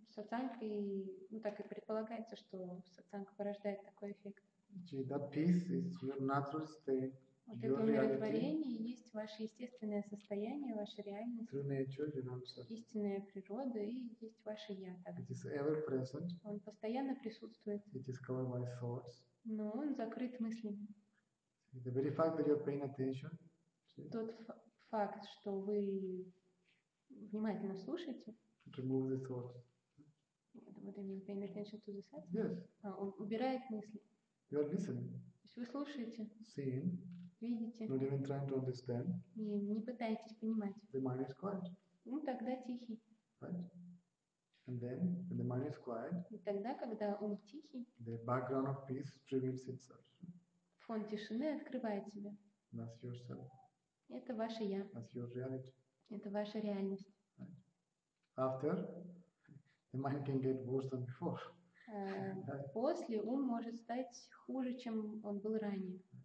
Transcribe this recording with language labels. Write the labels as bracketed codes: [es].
[ru] Сатсанг и, ну так и предполагается, что сатсанг порождает такой эффект. [en] That peace is your natural state, [ru] вот это умиротворение и есть ваше естественное состояние, ваша реальность, [en] true nature, you know, so. [ru] Истинная природа и есть ваше я. [en] It is ever present. [ru] Он постоянно присутствует. [en] It is covered by thoughts. [ru] Но он закрыт мыслями. [en] The very fact that you're paying attention, see? [ru] Тот факт, что вы внимательно слушаете. [en] Remove the thoughts. What do you mean, paying attention to the thoughts? Yes. [ru] Убирает мысли. [en] You are listening. [ru] То есть вы слушаете. [en] Seeing. [ru] Видите. [en] Not even trying to understand. [ru] Не пытаетесь понимать. [en] The mind is quiet. [ru] Ну тогда тихий. [en] Right. And then, when the mind is quiet. [ru] И тогда, когда ум тихий. [en] The background of peace reveals itself. [ru] Фон тишины открывает себя. [en] That's yourself. [ru] Это ваше я. [en] That's your reality. [ru] Это ваша реальность. [en] After, the mind can get worse than before. [ru] После ум может стать хуже, чем он был ранее.